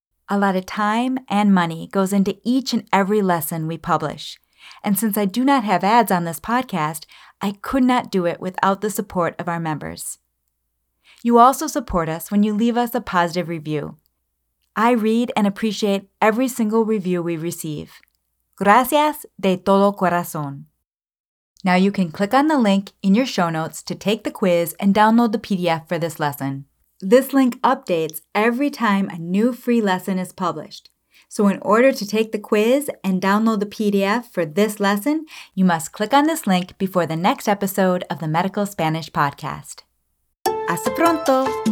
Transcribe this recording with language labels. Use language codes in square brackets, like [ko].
[en] A lot of time and money goes into each and every lesson we publish. And since I do not have ads on this podcast, I could not do it without the support of our members. You also support us when you leave us a positive review. I read and appreciate every single review we receive. [es] Gracias de todo corazón. [en] Now you can click on the link in your show notes to take the quiz and download the PDF for this lesson. This link updates every time a new free lesson is published. So in order to take the quiz and download the PDF for this lesson, you must click on this link before the next episode of the Medical Spanish Podcast. [es] ¡Hasta pronto!